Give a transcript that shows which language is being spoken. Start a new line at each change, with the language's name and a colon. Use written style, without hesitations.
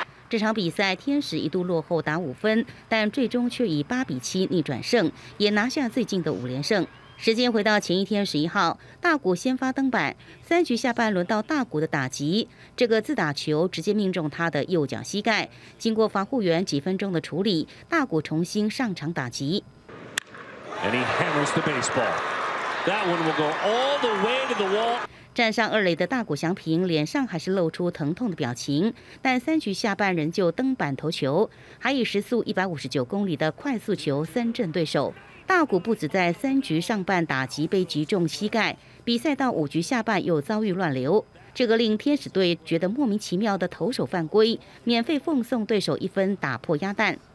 Chinese: 这场比赛天使一度落后达五分，但最终却以8-7逆转胜，也拿下最近的五连胜。时间回到前一天11号，大谷先发登板，三局下半轮到大谷的打击，这个自打球直接命中他的右脚膝盖，经过防护员几分钟的处理，大谷重新上场打击。
English: And he hammers the baseball. That one will go all the way to the wall.
Chinese: 站上二垒的大谷翔平脸上还是露出疼痛的表情，但三局下半仍旧登板投球，还以时速159公里的快速球三振对手。大谷不止在三局上半打击被击中膝盖，比赛到五局下半又遭遇乱流，这个令天使队觉得莫名其妙的投手犯规，免费奉送对手一分，打破鸭蛋。